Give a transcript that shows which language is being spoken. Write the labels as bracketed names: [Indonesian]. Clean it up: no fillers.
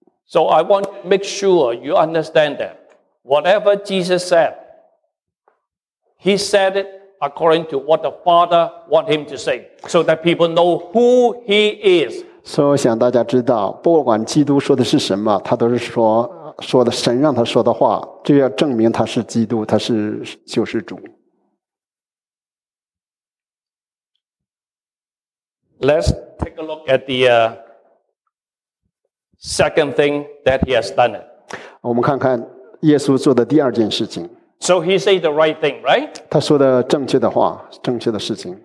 [English] So I want to make sure you understand that whatever Jesus said, he said it according to what the Father wants him to say, so that people know who he is. So I want [Chinese] 大家知道，不管基督说的是什么，他都是说的神让他说的话，这要证明他是基督，他是救世主。 [English] Let's take a look at the second thing that he has done. [Chinese] 我们看看耶稣做的第二件事情。 [English] So he said the right thing, right? [Chinese] 他说的正确的话，正确的事情。